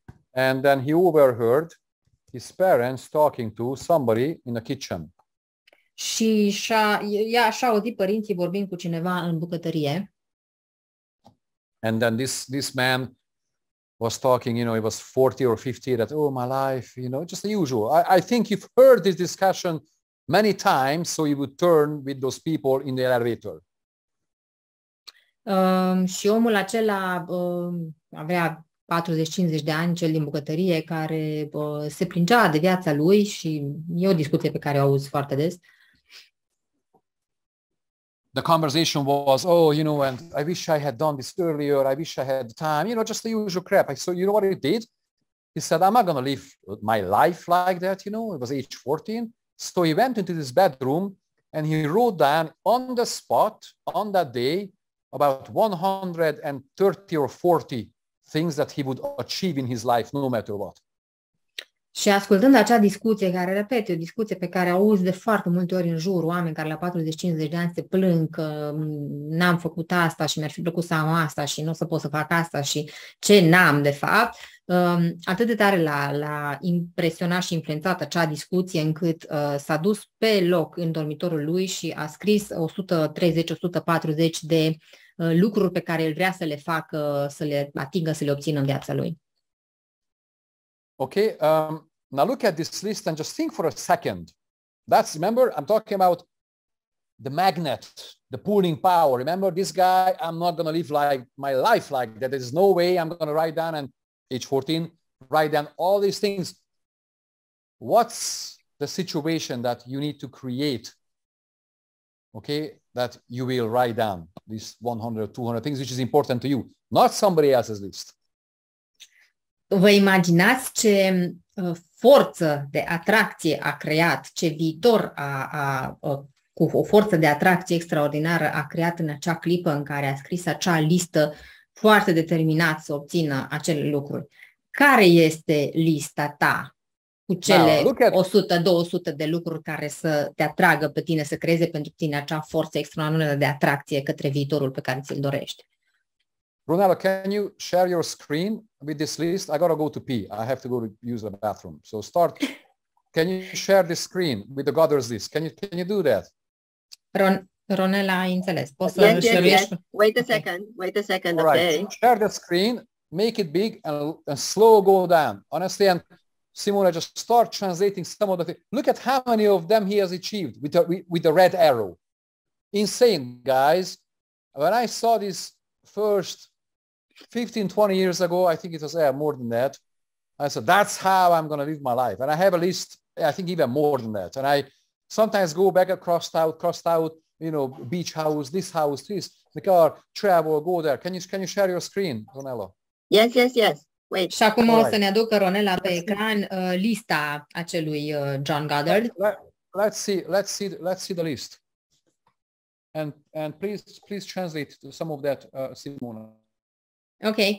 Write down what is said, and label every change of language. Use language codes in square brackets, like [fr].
[en] And then he overheard his parents talking to somebody in the kitchen. [ro] Și așa auzit părinții vorbind cu cineva în bucătărie. [en] And then this man was talking, you know, he was 40 or 50, that, oh, my life, you know, just the usual. I think you've heard this discussion many times, so you would turn with those people in the elevator. [ro] Și omul acela avea 40-50 de ani, cel din bucătărie, care se plângea de viața lui și e o discuție pe care o auzi foarte des. [en] The conversation was, oh, you know, and I wish I had done this earlier, I wish I had time, you know, just the usual crap. So you know what he did? He said, I'm not going to live my life like that, you know, it was age 14. So he went into this bedroom and he wrote down on the spot, on that day, about 130 or 40 things that he would achieve in his life, no matter what. [ro] Și ascultând acea discuție, care, repet, o discuție pe care auzi de foarte multe ori în jur, oameni care la 40-50 de ani se plâng că n-am făcut asta și mi-ar fi plăcut să am asta și nu o să pot să fac asta și ce n-am de fapt, atât de tare l-a impresionat și influențat acea discuție încât s-a dus pe loc în dormitorul lui și a scris 130-140 de lucruri pe care el vrea să le facă, să le atingă, să le obțină în viața lui. [en] Okay, now look at this list and just think for a second. That's, remember, I'm talking about the magnet, the pulling power. Remember, this guy, I'm not going to live like my life like that. There's no way I'm going to write down, and age 14, write down all these things. What's the situation that you need to create, okay, that you will write down these 100, 200 things, which is important to you, not somebody else's list? [ro] Vă imaginați ce forță de atracție a creat, ce viitor cu o forță de atracție extraordinară a creat în acea clipă în care a scris acea listă foarte determinat să obțină acele lucruri. Care este lista ta cu cele 100-200 de lucruri care să te atragă pe tine, să creeze pentru tine acea forță extraordinară de atracție către viitorul pe care ți-l dorești? [en] Brunello, can you share your screen with this list? I gotta go to pee. I have to go to use the bathroom. So start. Can you share the screen with the Goddard's list? Can you do that? [ro] Ronella, ai înțeles. Poți să [en] Wait a second. All right. Okay. Share the screen. Make it big and slow go down. Honestly, and Simona, just start translating some of the things. Look at how many of them he has achieved with the red arrow. Insane, guys. When I saw this first 15-20 years ago, I think it was more than that, I said, that's how I'm going to live my life. And I have a list, I think even more than that. And I sometimes go back and crossed out, you know, beach house, this house, this, the car, travel, go there. Can you share your screen, Ronella? Yes. Wait. [ro] Și acum right. O să ne aducă Ronella pe ecran lista acelui John Goddard. [en] Let's see the list. And please translate some of that, Simona. Ok.